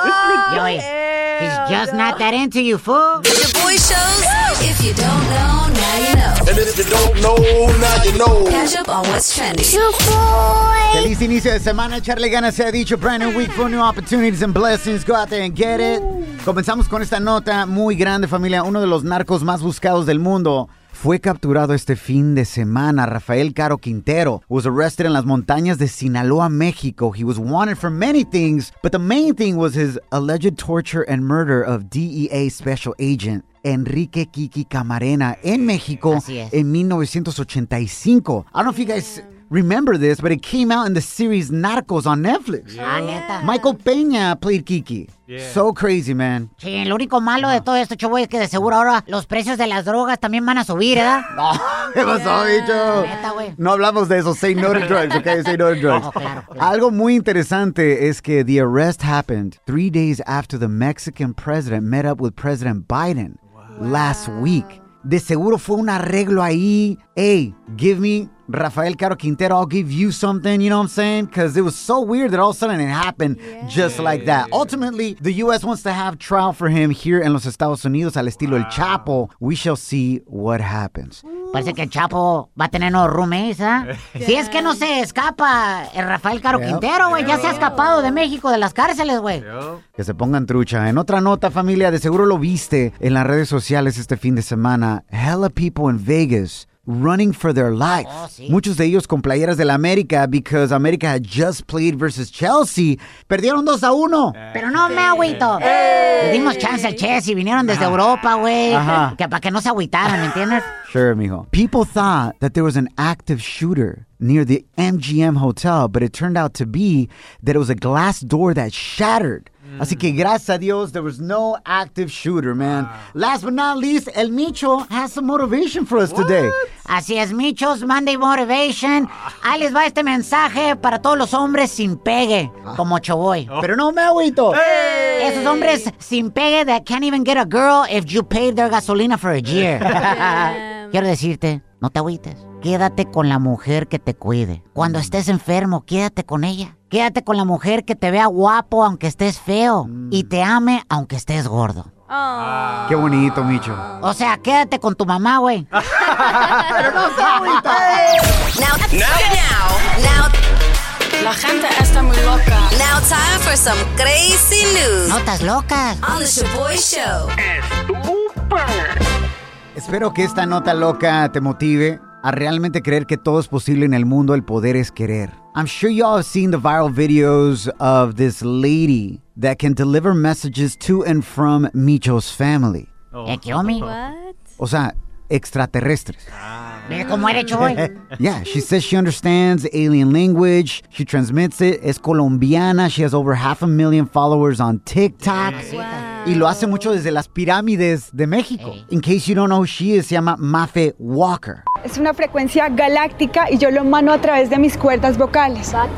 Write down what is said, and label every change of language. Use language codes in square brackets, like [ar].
[en] He's just not that into you, fool. The boy shows. If you don't know, now you know. And if you don't know, now you know. Catch up on what's trending. You boy. [es] Feliz inicio de semana. Charlie Gana se ha dicho. [en] Brand new week for new opportunities and blessings. Go out there and get it. [es] Comenzamos con esta nota muy grande, familia. Uno de los narcos más buscados del mundo fue capturado este fin de semana. [en] Rafael Caro Quintero was arrested in [es] las montañas de Sinaloa, México. [en] He was wanted for many things, but the main thing was his alleged torture and murder of DEA special agent Enrique Kiki Camarena [es] en México en 1985. [en] I don't know if you guys remember this, but it came out in the series Narcos on Netflix. Yeah. Michael Peña played Kiki. Yeah. So crazy, man. [es] Sí, el único malo de todo esto, chavo, es que de seguro ahora los precios de las drogas también van a subir, ¿verdad? No, ¿qué pasó, bicho? No hablamos de eso. [en] Say no to drugs, okay? Say no to drugs. [es] Claro. Algo muy interesante es que [en] the arrest happened 3 days after the Mexican president met up with President Biden last week. [es] De seguro fue un arreglo ahí. [en] Hey, give me Rafael Caro Quintero, I'll give you something, you know what I'm saying? Because it was so weird that all of a sudden it happened just like that. Yeah. Ultimately, the U.S. wants to have trial for him here in [es] Los Estados Unidos, al estilo El Chapo. [en] We shall see what happens. [es] Parece que el Chapo va a tener unos roommates, ¿eh? Si es que no se escapa el Rafael Caro Quintero, güey. Ya se ha escapado de México, de las cárceles, güey. Que se pongan trucha. En otra nota, familia, de seguro lo viste en las redes sociales este fin de semana. [en] Hella people in Vegas running for their life. [es] Muchos de ellos con playeras del América [en] because América had just played versus Chelsea. [es] Perdieron 2-1. Pero no me agüito. Le dimos chance al Chelsea. Vinieron desde Europa, güey. Que para que no se agüitaran, ¿me entiendes? [en] Sure, mijo. People thought that there was an active shooter near the MGM hotel, but it turned out to be that it was a glass door that shattered. [es] Así que gracias a Dios, [en] there was no active shooter, man. Wow. Last but not least, El Micho has some motivation for us today. [es] Así es, [en] Micho's Monday Motivation. [es] Ahí les va este mensaje para todos los hombres sin pegue, como Choboy. Pero no me agüito. [en] Hey. [es] Esos hombres sin pegue [en] that can't even get a girl if you paid their gasolina for a year. [es] Quiero decirte, no te agüites. Quédate con la mujer que te cuide. Cuando estés enfermo, quédate con ella. Quédate con la mujer que te vea guapo aunque estés feo y te ame aunque estés gordo. Qué bonito, Micho. O sea, quédate con tu mamá, güey. Pero no está bonito. [en] Now. [es] La gente está muy loca. [en] Now time for some crazy news. [es] Notas locas. [en] On the Shaboy Show. [es] Espero que esta nota loca te motive a realmente creer que todo es posible en el mundo. El poder es querer. [en] I'm sure y'all have seen the viral videos of this lady that can deliver messages to and from Micho's family. [es] O sea, extraterrestres. Mira cómo eres, Choy. [en] Yeah, she says she understands alien language. She transmits it. [es] Es colombiana. [en] She has over 500,000 followers on TikTok. [es] Y lo hace mucho desde las pirámides de México. [en] Hey. In case you don't know who she is, [es] se llama Mafe Walker. Es una frecuencia galáctica y yo lo mando a través de mis cuerdas vocales.